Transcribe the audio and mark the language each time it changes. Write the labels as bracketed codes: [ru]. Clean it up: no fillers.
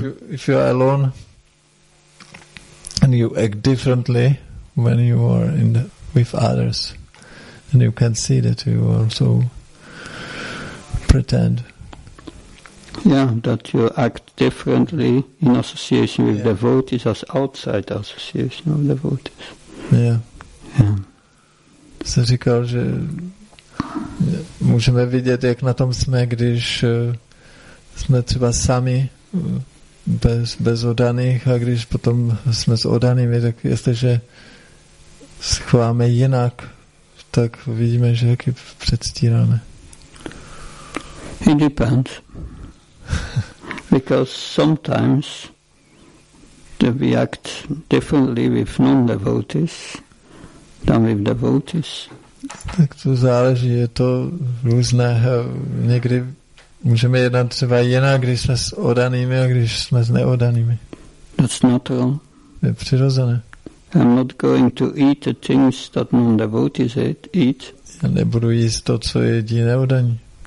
[en] if you are alone and you act differently when you are with others, then you can see that you also pretend. Yeah, that you act differently in association with devotees as outside association of devotees. Yeah. [cs] Jsem říkal, že můžeme vidět, jak na tom jsme, když jsme třeba sami bez oddaných, a když potom jsme s oddanými, tak jestliže schováme jinak, tak vidíme, že jak je předstíráme. [en] It depends. Because sometimes we act differently with non-devotees than with devotees. [cs] Tak to záleží, je to různé. Někdy můžeme jednat třeba jinak, když jsme s oddanými, a když jsme s neoddanými. [en] That's not wrong. [cs] Je přirozené. [en] I'm not going to eat the things that non-devotees eat. [cs] Já nebudu jíst to, co jedí neoddaní.